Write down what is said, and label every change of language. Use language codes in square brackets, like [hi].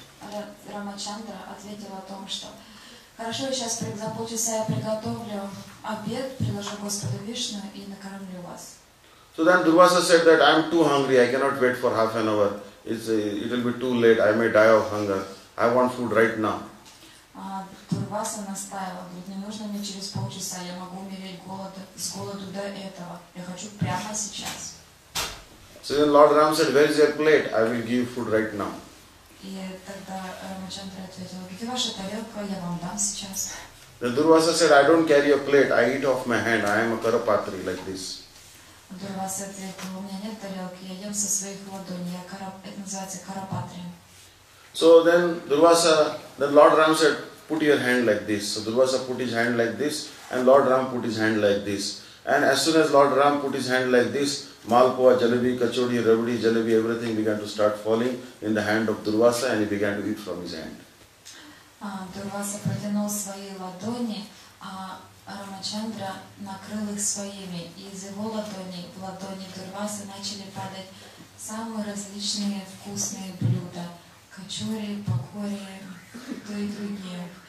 [ru] Тогда Рамачандра ответил о том, что хорошо, сейчас за полчаса я приготовлю обед, приложу Господу Вишну и накормлю вас. [en] So then Durvasa said that I am too hungry, I cannot wait for half an hour. It will be too late, I may die of hunger. I want food right now. [ru] Durvasa настаивал, говорит, не нужно мне через полчаса, я могу умереть с голоду до этого. Я хочу прямо сейчас. [en] So then Lord Ram said, where is your plate? I will give you food right now. [ru] И тогда Рамачандра ответил, где ваша тарелка, я вам дам сейчас. [en] The Durvasa said, I don't carry a plate, I eat off my hand, I am a Karapatri like this. [ru] Durvasa ответил, у меня нет тарелки, я ем со своих ладоней, это называется Карапатри. [en] So then then Lord Ram said, put your hand like this. So Durvasa put his hand like this and Lord Ram put his hand like this. And as soon as Lord Ram put his hand like this, Malpoa, Jalebi, Kachodi, Rabdi, Jalebi, everything began to start falling in the hand of Durvasa and he began to eat from his hand. [ru] Durvasa протянул свои ладони, а Рамачандра накрыл их своими. И из его ладони, в ладони Дурвасы начали падать самые различные вкусные блюда. Кочури, покори, то и другие.